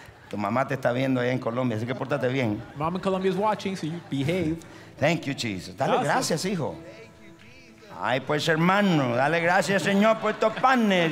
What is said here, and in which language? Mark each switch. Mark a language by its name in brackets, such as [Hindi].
[Spanish] Tu mamá te está viendo ahí en Colombia, así que pórtate bien. [English] Mom in Colombia is watching, so you behave. Thank you, Jesus. [Spanish] Dale gracias, hijo. Ay, pues, hermano, dale gracias, Señor, por estos panes.